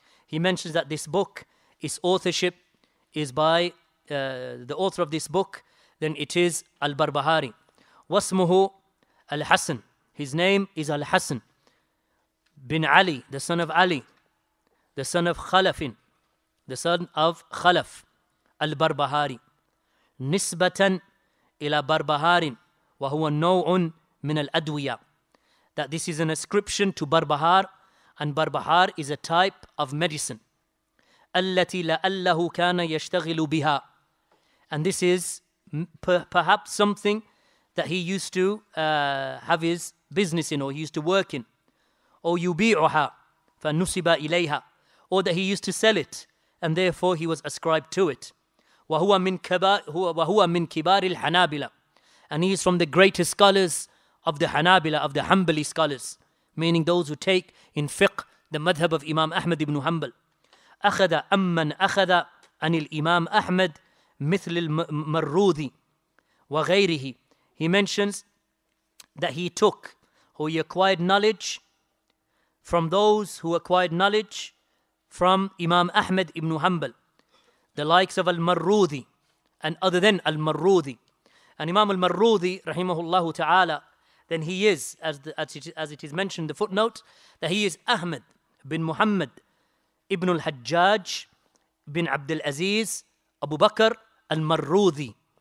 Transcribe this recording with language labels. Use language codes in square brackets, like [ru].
[en] He mentions that this book, its authorship is by the author of this book, then it is البربهاري. [ar] واسمه الحسن. [en] His name is الحسن bin Ali, the son of Ali, the son of Khalafin, the son of Khalaf, البربهاري. [ar] نسبة إلى بربهار وهو نوع من الأدوية. [en] That this is an ascription to Barbahar, and Barbahar is a type of medicine. [ar] التي لألّه كان يشتغل بها. [en] And this is perhaps something that he used to have his business in, or he used to work in. [ar] Or يبيعها فنسب إليها. [en] Or that he used to sell it, and therefore he was ascribed to it. [ar] وهو من كبار الحنابلة. [en] And he is from the greatest scholars of the Hanabila, of the Hanbali scholars, meaning those who take in fiqh the madhab of Imam Ahmad ibn Hanbal. [ar] أخذ أمن أخذ عن الإمام أحمد مثل المرودي وغيره. [en] He mentions that he took, who he acquired knowledge from, those who acquired knowledge from Imam Ahmad ibn Hanbal, the likes of al-Marrudi and other than al-Marrudi. And Imam al-Marrudi, rahimahullahu ta'ala, then he is, as it is mentioned in the footnote, that he is Ahmad bin Muhammad ibn al-Hajjaj bin Abdul Aziz Abu Bakr al-Marrudi.